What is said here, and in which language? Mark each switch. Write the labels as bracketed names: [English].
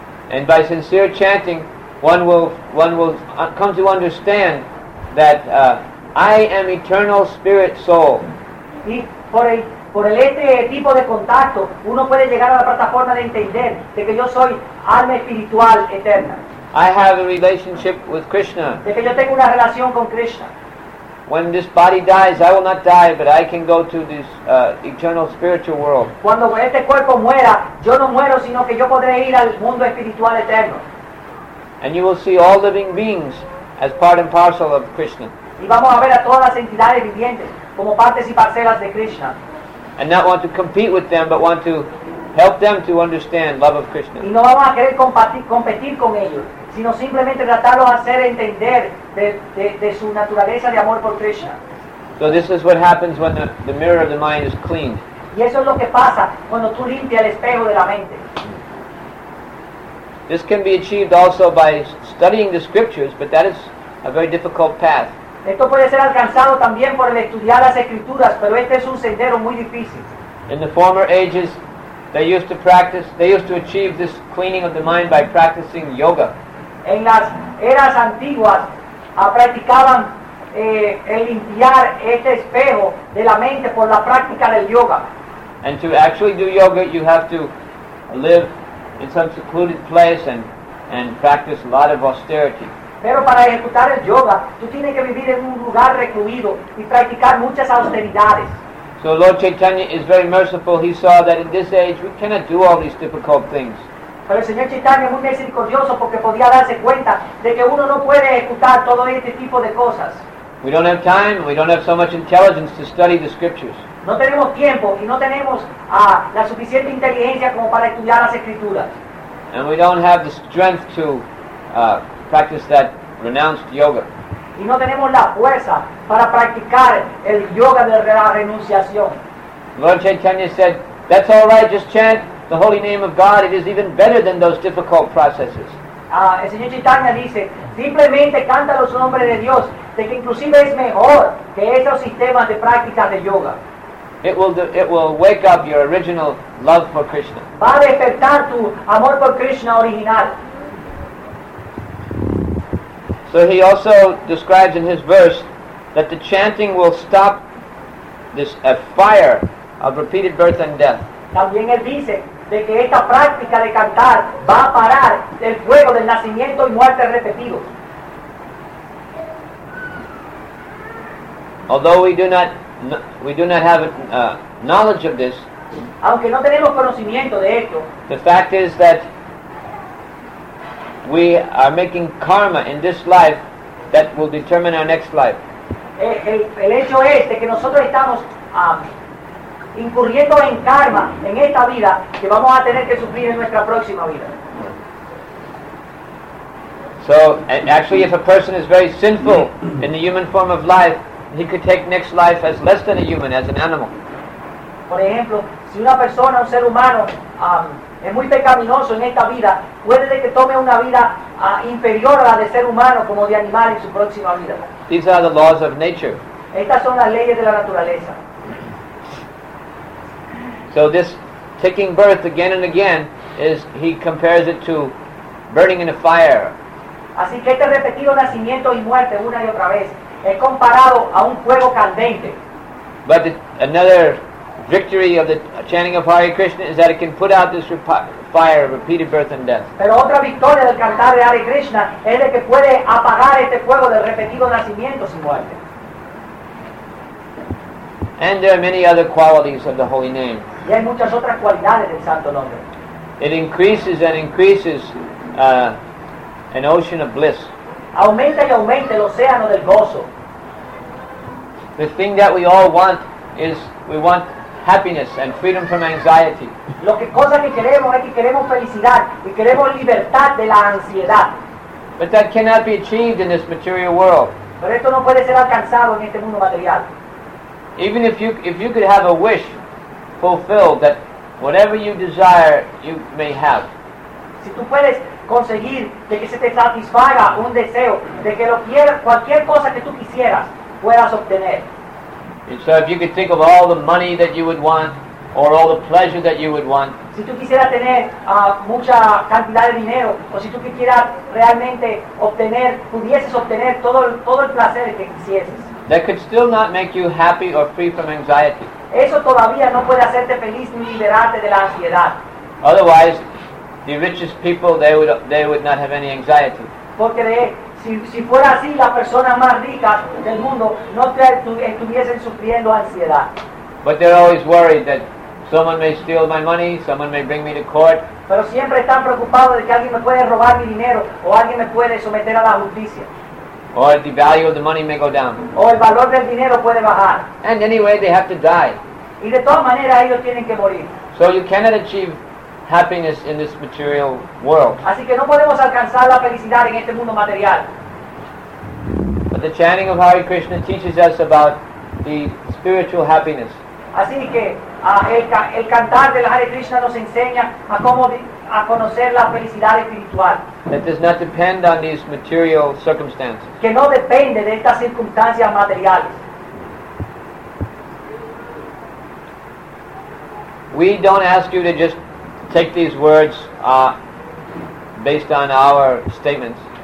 [English] And by sincere chanting, one will come to understand that I am eternal spirit soul. [Spanish] Y por el este tipo de contacto, uno puede llegar a la plataforma de entender de que yo soy alma espiritual eterna. [English] I have a relationship with Krishna. [Spanish] De que yo tengo una relación con Krishna. [English] When this body dies, I will not die, but I can go to this eternal spiritual world. [Spanish] Cuando este cuerpo muera, yo no muero, sino que yo podré ir al mundo espiritual eterno. [English] And you will see all living beings as part and parcel of Krishna. [Spanish] Y vamos a ver a todas las entidades vivientes como partes y parcelas de Krishna. [English] And not want to compete with them, but want to help them to understand love of Krishna. [Spanish] Y no vamos a querer competir con ellos, sino simplemente tratarlos a hacer entender de su naturaleza de amor por Krishna. [English] So this is what happens when the mirror of the mind is cleaned. [Spanish] Y eso es lo que pasa cuando tú limpias el espejo de la mente. [English] This can be achieved also by studying the scriptures, but that is a very difficult path. [Spanish] Esto puede ser alcanzado también por el estudiar las escrituras, pero este es un sendero muy difícil. [English] In the former ages, they used to achieve this cleaning of the mind by practicing yoga. [Spanish] En las eras antiguas, practicaban el limpiar este espejo de la mente por la práctica del yoga. [English] And to actually do yoga, you have to live in some secluded place and practice a lot of austerity. [Spanish] Pero para ejecutar el yoga, tú tienes que vivir en un lugar recluido y practicar muchas austeridades. [English] So Lord Chaitanya is very merciful. He saw that in this age we cannot do all these difficult things. [Spanish] Pero el Señor Chaitanya es muy misericordioso porque podía darse cuenta de que uno no puede ejecutar todo este tipo de cosas. [English] We don't have time, we don't have so much intelligence to study the scriptures. [Spanish] No tenemos tiempo y no tenemos la suficiente inteligencia como para estudiar las escrituras. [English] And we don't have the strength to practice that renounced yoga. [Spanish] Y no tenemos la fuerza para practicar el yoga de la renunciación. [English] Lord Chaitanya said, "That's all right, just chant the holy name of God. It is even better than those difficult processes." [Spanish] El Señor Chaitanya dice, simplemente canta los nombres de Dios, de que inclusive es mejor que esos sistemas de práctica de yoga. [English] It will wake up your original love for Krishna. [Spanish] Va a despertar tu amor por Krishna original. [English] So he also describes in his verse that the chanting will stop this a fire of repeated birth and death. [Spanish] También él dice de que esta práctica de cantar va a parar el fuego del nacimiento y muerte repetido. [English] Although we do not have knowledge of this, [Spanish] aunque no tenemos conocimiento de esto, [English] the fact is that we are making karma in this life that will determine our next life. [Spanish] El hecho es de que nosotros estamos incurriendo en karma en esta vida que vamos a tener que sufrir en nuestra próxima vida. [English] So actually, if a person is very sinful in the human form of life, he could take next life as less than a human, as an animal. [Spanish] Por ejemplo, si una persona, un ser humano, es muy pecaminoso en esta vida, puede de que tome una vida inferior a la de ser humano como de animal en su próxima vida. [English] These are the laws of nature. [Spanish] Estas son las leyes de la naturaleza. [English] So this taking birth again and again is, he compares it to burning in a fire. [Spanish] Así que este repetido nacimiento y muerte una y otra vez es comparado a un fuego candente. [English] But another victory of the chanting of Hare Krishna is that it can put out this fire of repeated birth and death. [Spanish] Pero otra victoria del cantar de Hare Krishna es de que puede apagar este fuego del repetido nacimiento y muerte. [English] And there are many other qualities of the holy name. [Spanish] Y hay muchas otras cualidades del santo nombre. [English] It increases and increases an ocean of bliss. [Spanish] Aumenta y aumenta el océano del gozo. [English] The thing that we all want is we want happiness and freedom from anxiety. [Spanish] Lo que cosa que queremos es que queremos felicidad y queremos libertad de la ansiedad. [English] But that cannot be achieved in this material world. [Spanish] Pero esto no puede ser alcanzado en este mundo material. [English] Even if you could have a wish fulfilled that whatever you desire you may have. [Spanish] Si tú puedes conseguir de que se te satisfaga un deseo de que lo quieras, cualquier cosa que tú quisieras puedas obtener. [English] And so if you could think of all the money that you would want or all the pleasure that you would want. [Spanish] Si tú quisieras tener mucha cantidad de dinero o si tú quisieras realmente obtener, pudieses obtener todo el placer que quisieses. [English] That could still not make you happy or free from anxiety. [Spanish] Eso todavía no puede hacerte feliz ni liberarte de la ansiedad. [English] Otherwise, the richest people they would not have any anxiety. [Spanish] Porque si fuera así, las personas más ricas del mundo no estuviesen sufriendo ansiedad. [English] But they're always worried that someone may steal my money, someone may bring me to court. [Spanish] Pero siempre están preocupados de que alguien me puede robar mi dinero o alguien me puede someter a la justicia. [English] Or the value of the money may go down. [Spanish] O el valor del dinero puede bajar. [English] And anyway, they have to die. [Spanish] Y de todas maneras, ellos tienen que morir. [English] So you cannot achieve happiness in this material world. [Spanish] Así que no podemos alcanzar la felicidad en este mundo material. [English] But the chanting of Hare Krishna teaches us about the spiritual happiness. [Spanish] Así que el cantar del Hare Krishna nos enseña a cómo a conocer la felicidad espiritual. [English] That does not depend on these material circumstances. [Spanish] Que no depende de estas circunstancias materiales. [English] We don't ask you to just take these words based on our statements.